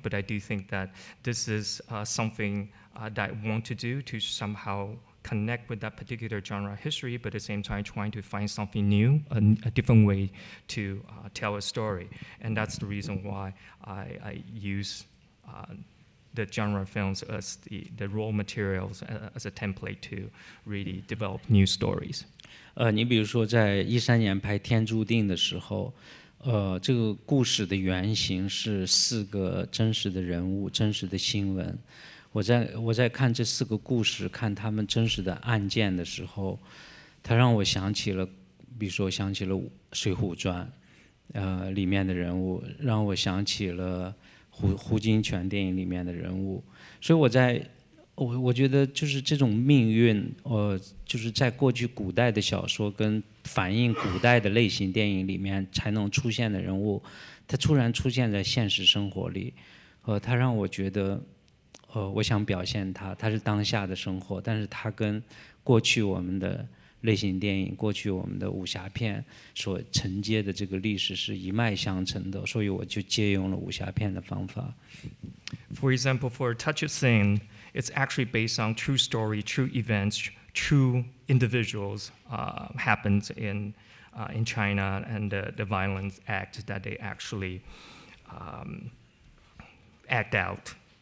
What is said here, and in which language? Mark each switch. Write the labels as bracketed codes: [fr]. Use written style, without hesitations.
[en] But I do think that this is something that I want to do, to somehow connect with that particular genre history, but at the same time trying to find something new, a different way to tell a story. And that's the reason why I use the genre films as the raw materials as a template to really develop new stories. [zh] 你比如说在2013年拍《天注定》的时候，这个故事的原型是四个真实的人物，真实的新闻。我在看这四个故事，看他们真实的案件的时候，它让我想起了，比如说想起了《水浒传》，里面的人物，让我想起了胡金铨电影里面的人物。所以我觉得就是这种命运，就是在过去古代的小说跟反映古代的类型电影里面才能出现的人物，它突然出现在现实生活里，它让我觉得我想表现它，它是当下的生活，但是它跟过去我们的类型电影、过去我们的武侠片所承接的这个历史是一脉相承的，所以我就借用了武侠片的方法。 [en] For example, for A Touch of Sin, it's actually based on true story, true events, true individuals happened in China and the violence act that they actually act out.